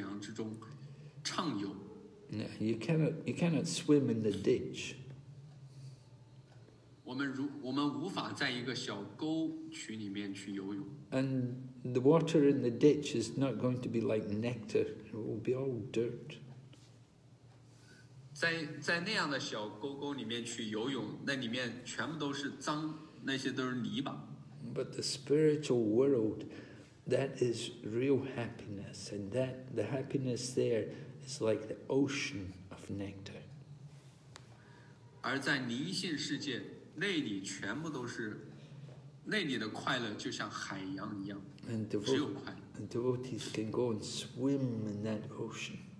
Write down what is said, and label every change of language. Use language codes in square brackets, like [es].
[zh] 而且奉献者就想在这样的甘露之洋之中畅游。 [en] You cannot swim in the ditch. [zh] 我们无法在一个小沟渠里面去游泳。 [en] And the water in the ditch is not going to be like nectar, it will be all dirt. [zh] 在那样的小沟沟里面去游泳, 那里面全部都是脏, 那些都是泥巴。 [en] But the spiritual world, that is real happiness, and that the happiness there is like the ocean of nectar. [zh] 而在灵性世界, 那里全部都是，那里的快乐就像海洋一样。 [en] And devotees can go and swim in that ocean.